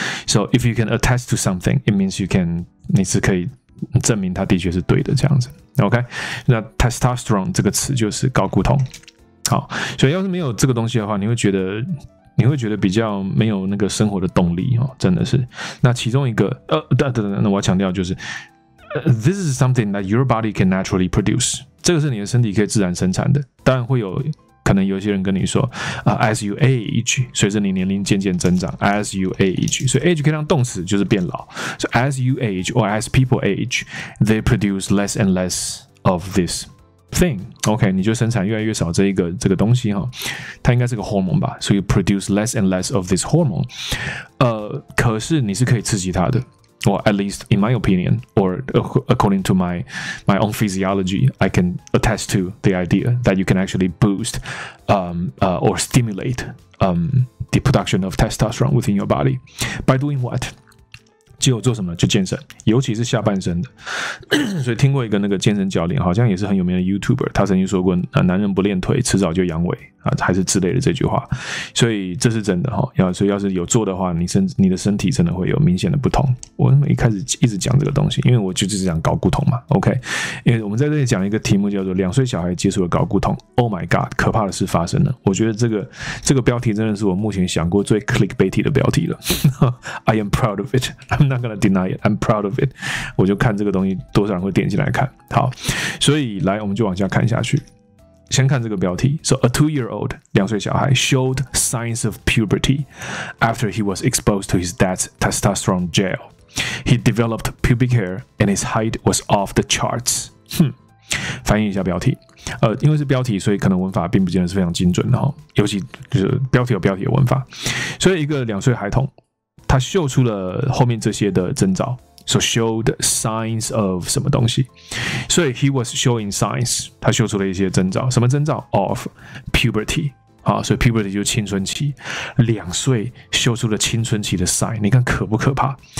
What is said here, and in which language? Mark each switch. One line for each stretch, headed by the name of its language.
English: So if you can attest to something, it means you can
Chinese: 你是可以证明它的确是对的这样子。 OK， 那 testosterone 这个词就是睾固酮。好，所以要是没有这个东西的话，你会觉得比较没有那个生活的动力，真的是。那其中一个那我要强调就是。
English: This is something that your body can naturally produce.
Chinese: 这个是你的身体可以自然生产的。当然会有可能有些人跟你说、
English: as you age,
Chinese: 随着你年龄渐渐增长 ,as you age, 所以 age 可以当动词就是变老。
English: So as you age, or as people age, they produce less and less of this thing.
Chinese: OK, 你就生产越来越少这个东西、哦。它应该是个 hormone 吧。
English: So you produce less and less of this hormone.、
Chinese: 可是你是可以刺激它的。
English: Or at least in my opinion, or according to my own physiology, I can attest to the idea that you can actually boost or stimulate the production of testosterone within your body. By doing what?
Chinese: 只有做什么？就健身，尤其是下半身的。所以听过一个那个健身教练，好像也是很有名的 YouTuber， 他曾经说过、男人不练腿，迟早就阳痿、还是之类的这句话。所以这是真的、所以要是有做的话，你的身体真的会有明显的不同。我一开始一直讲这个东西，因为我就是讲睾固酮嘛。 OK， 因为我们在这里讲一个题目叫做两岁小孩接触了睾固酮 ，
English: Oh my God，
Chinese: 可怕的事发生了。我觉得这个标题真的是我目前想过最 clickbaity 的标题了。
English: I am proud of it。 I'm not gonna deny it. I'm proud of it.
Chinese: 我就看这个东西多少人会点进来看。好，所以来我们就往下看下去。
English: 先看这个标题。So a 2-year-old,
Chinese: 两岁小孩
English: showed signs of puberty after he was exposed to his dad's testosterone gel. He developed pubic hair and his height was off the charts.
Chinese: 翻译一下标题。因为是标题，所以可能文法并不见得是非常精准的，尤其就是标题有标题的文法。所以一个两岁孩童。他秀出了后面这些的征兆 ，
English: so showed signs of
Chinese: 什么东西，所以
English: he was showing signs，
Chinese: 他秀出了一些征兆，什么征兆 ？
English: of puberty，
Chinese: 好，所以 puberty 就是青春期，两岁秀出了青春期的 sign， 你看可不可怕？